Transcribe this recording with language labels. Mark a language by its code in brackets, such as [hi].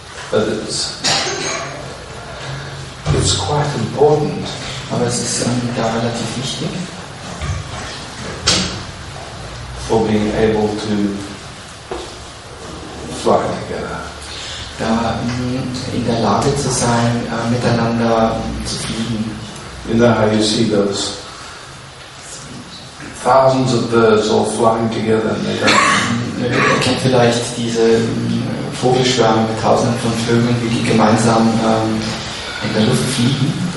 [en] But it's quite important. [de] Aber es ist da relativ wichtig. [en] For being able to fly together. [de] Da in der Lage zu sein, miteinander zu fliegen. [en] You know how you see those thousands of birds all flying together. [de] Er kennt vielleicht diese Vogelschwärme mit tausenden von Vögeln, wie die gemeinsam in der Luft fliegen.